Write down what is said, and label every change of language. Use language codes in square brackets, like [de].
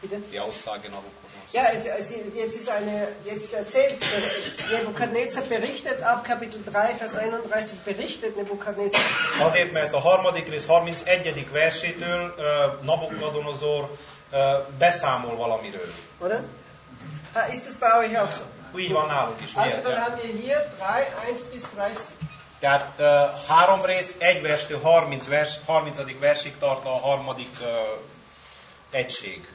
[de] Die Aussage nach Ukraine. Ja, also jetzt ist eine, jetzt erzählt, Nebukadnezar berichtet ab Kapitel 3, Vers 31, berichtet Nebukadnezar. [hu] Azért, mert a harmadik rész 31. versétől Nabukadonozor beszámol valamiről. [de] Oder? Ha, ist das bei euch auch so? [hu] Így van nálunk is. [de] Also dann haben wir hier 3, 1 bis 30. [hu] Tehát három rész, egy verstől 30. versig tart a harmadik egység.